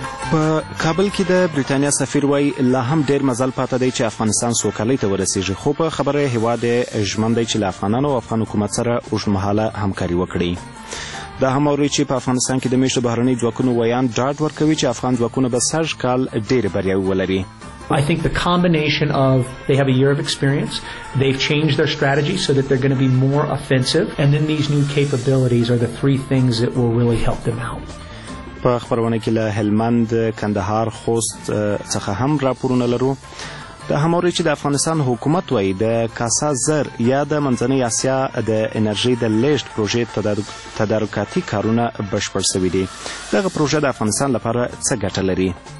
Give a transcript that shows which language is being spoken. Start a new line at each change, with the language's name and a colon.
Pashto: په کابل کې د بریتانیا سفیر وای لا هم ډیر مزل پاته دی چې افغانستان سوکالۍ ته ورسیږي، خو په خبره هیواد ژمن دی چې له افغانانو او افغان حکومت سره اوږدمهاله همکاري وکړي. دا هم اوري چې په افغانستان کې د میشتو بهرنی ځواکونو ویان ډاډ ورکوي چې افغان ځواکونه به سږ کال ډیر بریاوې ولري.
English: I think the combination of they have a year of experience, they've changed their strategy so that they're going to be more offensive, and then these new capabilities are the three things that will really help them out.
Pashto: په خبرونه کې له هلمند، کندهار، خوست څخه هم راپورونه لرو. د هماره چې د افغانستان حکومت وایي د کاسا زر یا د منځنۍ آسیا د انرژي د لیشت پروژې تدارکاتي کارونه بشپړ سوي دي. دغه پروژه د افغانستان لپاره څه ګټه لري؟